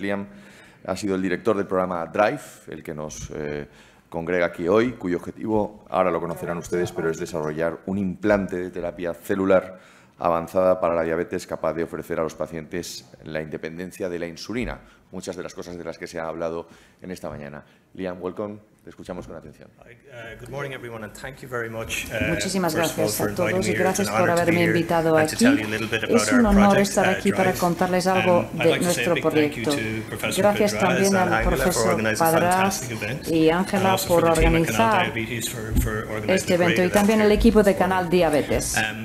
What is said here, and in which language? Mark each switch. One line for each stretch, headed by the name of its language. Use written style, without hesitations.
Spanish: Liam ha sido el director del programa DRIVE, el que nos congrega aquí hoy, cuyo objetivo, ahora lo conocerán ustedes, pero es desarrollar un implante de terapia celular avanzada para la diabetes capaz de ofrecer a los pacientes la independencia de la insulina. Muchas de las cosas de las que se ha hablado en esta mañana.
English: Liam, welcome.
Spanish: Te escuchamos con atención.
English: Good morning, everyone, and thank you very much,
Spanish: muchísimas gracias a todos y gracias por haberme invitado aquí. Es un honor estar aquí para contarles algo de nuestro proyecto. Gracias también al profesor Padras y Ángela por organizar este evento y también al equipo de Canal Diabetes.